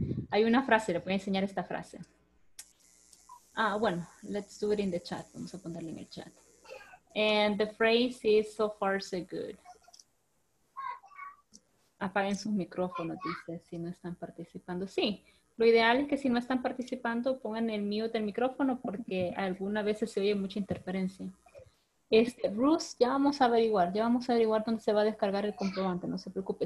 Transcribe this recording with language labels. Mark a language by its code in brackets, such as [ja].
[es] Hay una frase, le voy a enseñar esta frase. Ah, bueno, [en] let's do it in the chat. [es] Vamos a ponerla en el chat. [en] And the phrase is so far so good. [es] Apaguen sus micrófonos, dice, si no están participando. Sí, lo ideal es que si no están participando, pongan el mute del micrófono porque algunas veces se oye mucha interferencia. Ruth, ya vamos a averiguar dónde se va a descargar el comprobante, no se preocupe.